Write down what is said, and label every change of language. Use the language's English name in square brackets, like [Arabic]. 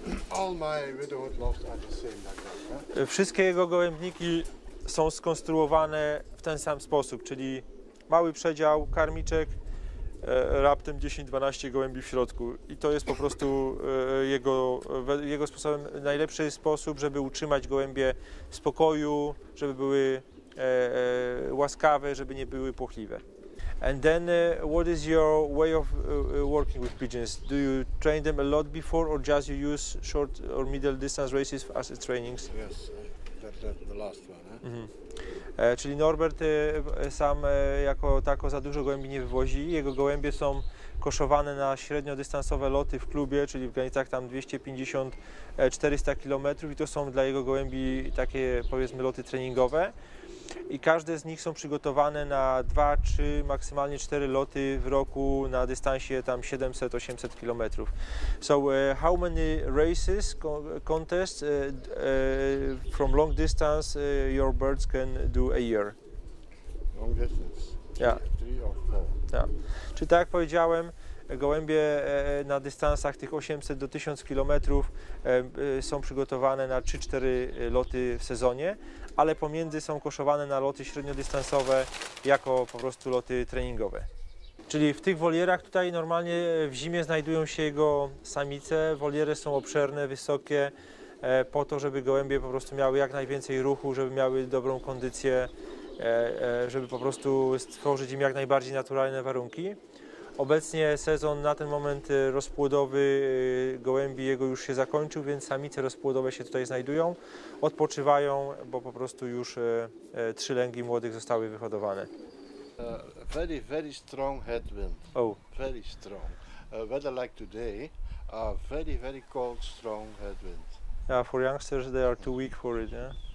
[English] All my widowed loves are the same like that, huh? [Polish] Wszystkie jego gołębniki są skonstruowane w ten sam sposób, czyli mały przedział, karmiczek, raptem 10-12 gołębi w środku i to jest po prostu jego sposobem, najlepszy sposób, żeby utrzymać gołębie w spokoju, żeby były łaskawe, żeby nie były płochliwe. [English] And then what is your way of working with pigeons? Do you train them a lot before or just you use short or middle distance races as a trainings? Yes, the last one. Eh? Mm-hmm. [Polish] Czyli Norbert sam jako tako za dużo gołębi nie wywozi. Jego gołębie są koszowane na średniodystansowe loty w klubie, czyli w granicach tam 250-400 km i to są dla jego gołębi takie, powiedzmy, loty treningowe. I każde z nich są przygotowane na 2-3, maksymalnie 4 loty w roku na dystansie tam 700-800 km. [English] So how many races contests from long distance your birds can do a year? Long distance. Three or four. Yeah. [Polish] Czy tak jak powiedziałem, gołębie na dystansach tych 800 do 1000 km są przygotowane na 3-4 loty w sezonie, ale pomiędzy są koszowane na loty średniodystansowe jako po prostu loty treningowe. Czyli w tych wolierach tutaj normalnie w zimie znajdują się jego samice. Woliery są obszerne, wysokie, po to, żeby gołębie po prostu miały jak najwięcej ruchu, żeby miały dobrą kondycję, żeby po prostu stworzyć im jak najbardziej naturalne warunki. Obecnie sezon na ten moment rozpłodowy gołębi jego już się zakończył, więc samice rozpłodowe się tutaj znajdują, odpoczywają, bo po prostu już trzy lęgi młodych zostały wyhodowane. [English] Very, very strong headwind. Oh. Very strong. Weather like today, a very, very cold, strong headwind. Yeah, for youngsters they are too weak for it, yeah?